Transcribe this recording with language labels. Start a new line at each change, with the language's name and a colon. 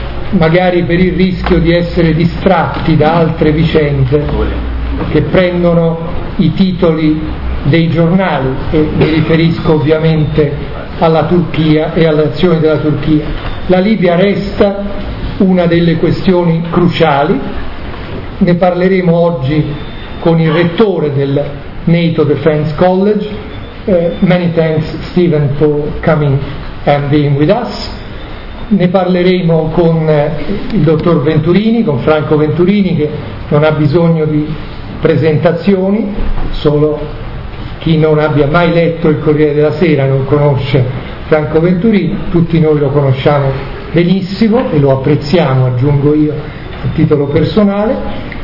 Italian: magari per il rischio di essere distratti da altre vicende che prendono i titoli dei giornali, e mi riferisco ovviamente alla Turchia e all'azione della Turchia. La Libia resta una delle questioni cruciali, ne parleremo oggi con il rettore del NATO Defense College.
English: Many thanks, Stephen, for coming and being with us.
Italian: Ne parleremo con il dottor Venturini, con Franco Venturini, che non ha bisogno di presentazioni, solo chi non abbia mai letto il Corriere della Sera non conosce Franco Venturini, tutti noi lo conosciamo benissimo e lo apprezziamo, aggiungo io a titolo personale.